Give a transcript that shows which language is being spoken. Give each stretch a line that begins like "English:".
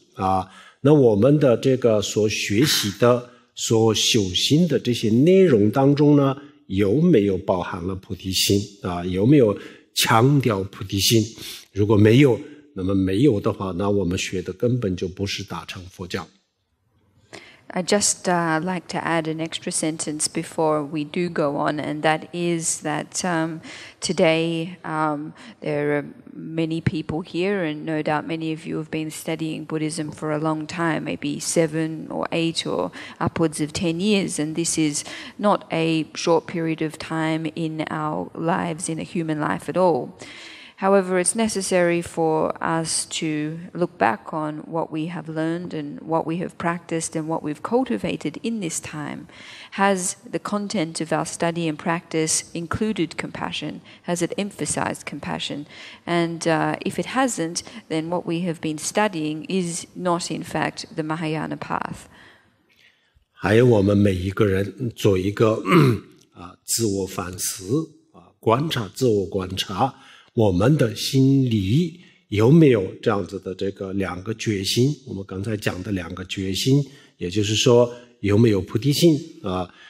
Chinese: 啊，那我们的这个所学习的、所修行的这些内容当中呢，有没有包含了菩提心啊？有没有强调菩提心？如果没有，那么没有的话，那我们学的根本就不是大乘佛教。
English: I just like to add an extra sentence before we do go on, and that is that today there are many people here, and no doubt many of you have been studying Buddhism for a long time, maybe 7 or 8 or upwards of 10 years, and this is not a short period of time in our lives, in a human life at all. However, it's necessary for us to look back on what we have learned and what we have practiced and what we've cultivated in this time. Has the content of our study and practice included compassion? Has it emphasized compassion? And if it hasn't, then what we have been studying is not, in fact, the Mahayana path.
Chinese: 还有我们每一个人做一个自我反思，观察，自我观察。我们的心里有没有这样子的这个两个决心，我们刚才讲的两个决心，也就是说有没有菩提心啊？